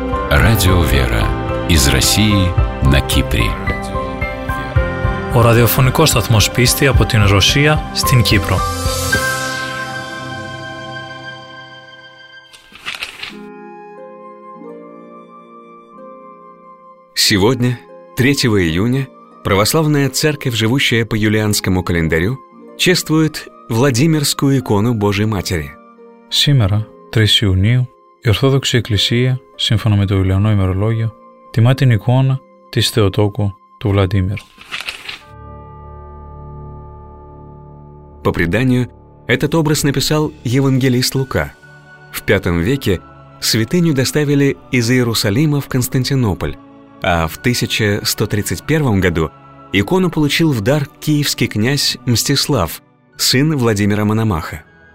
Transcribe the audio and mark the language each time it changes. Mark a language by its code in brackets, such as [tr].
[ru] Радио Вера из России на Кипре. [el] Ο ραδιοφωνικός σταθμός πίστη από την Ρωσία στην Κύπρο. [ru] Сегодня, 3 июня, православная церковь, живущая по юлианскому календарю, чествует Владимирскую икону Божией Матери. Сегодня, 3 июня, [el] η Ορθόδοξη Εκκλησία, σύμφωνα με το Ιουλιανό ημερολόγιο, τιμά την εικόνα της Θεοτόκου του Βλαντίμιρ. [ru] По преданию, этот образ написал евангелист Лука. В V веке святыню доставили из Иерусалима в Константинополь, а в 1131 году икону получил в дар киевский князь Мстислав, сын Владимира Мономаха.